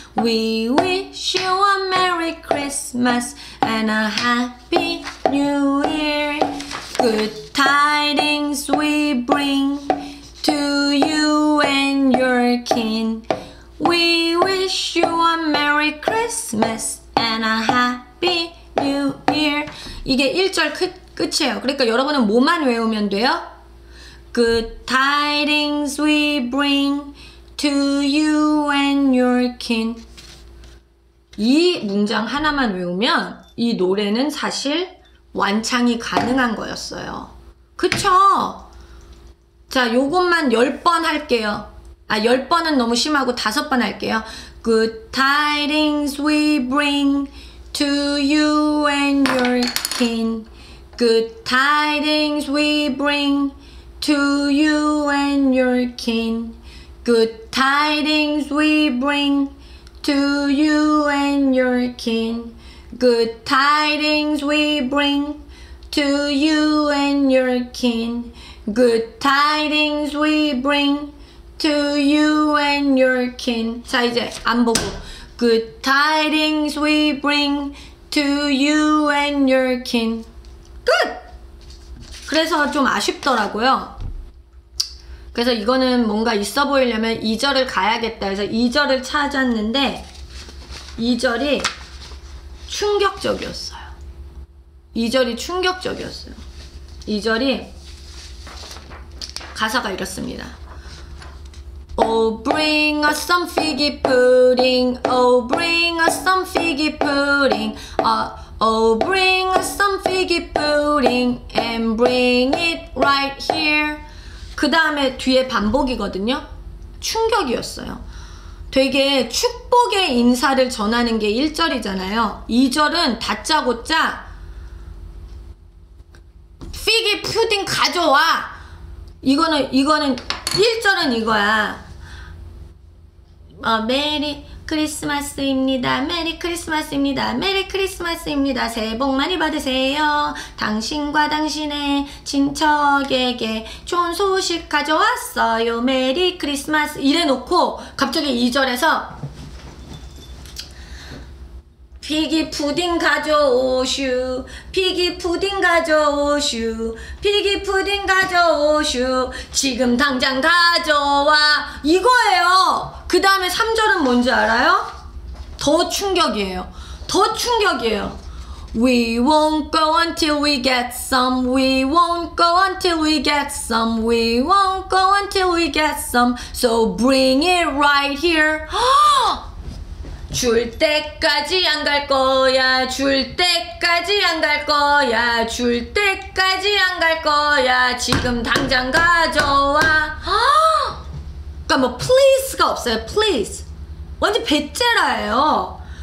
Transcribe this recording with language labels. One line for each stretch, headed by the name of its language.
English: We wish you a Merry Christmas and a Happy New Year. Good tidings we bring to you and your kin. We wish you a Merry Christmas and a Happy New Year.
Korean: 이게 1절 끝이에요. 그러니까 여러분은 뭐만 외우면 돼요?
English: Good tidings we bring to you and your kin.
Korean: 이 문장 하나만 외우면 이 노래는 사실 완창이 가능한 거였어요. 그쵸? 자, 요것만 10번 할게요. 아, 10번은 너무 심하고 5번 할게요.
English: Good tidings we bring to you and your kin. Good tidings we bring to you and your kin. Good tidings we bring to you and your kin. Good tidings we bring to you and your kin. Good tidings we bring to you and your kin.
Korean: 자, 이제 안 보고.
English: Good tidings we bring to you and your kin. Good!
Korean: 그래서 좀 아쉽더라고요. 그래서 이거는 뭔가 있어 보이려면 2절을 가야겠다 해서 2절을 찾았는데 2절이 충격적이었어요. 2절이 충격적이었어요. 2절이 가사가 이렇습니다.
English: Oh, bring us some figgy pudding. Oh, bring us some figgy pudding. Oh, bring us some figgy pudding and bring it right here.
Korean: 그 다음에 뒤에 반복이거든요. 충격이었어요. 되게 축복의 인사를 전하는 게 1절이잖아요. 2절은 다짜고짜 figgy pudding 가져와. 이거는 1절은 이거야. 메리 크리스마스입니다. 메리 크리스마스입니다. 메리 크리스마스입니다. 새해 복 많이 받으세요. 당신과 당신의 친척에게 좋은 소식 가져왔어요. 메리 크리스마스. 이래놓고 갑자기 2절에서 피기 푸딩 가져오슈, 피기 푸딩 가져오슈, 피기 푸딩 가져오슈, 지금 당장 가져와. 이거예요. 그 다음에 3절은 뭔지 알아요? 더 충격이에요. 더 충격이에요.
English: We won't go until we get some. We won't go until we get some. We won't go until we get some. So bring it right here.
Korean: 줄 때까지 안 갈 거야, 줄 때까지 안 갈 거야, 줄 때까지 안 갈 거야, 지금 당장 가져와. 그러니까 뭐 please가 없어요. please 완전 배째라예요.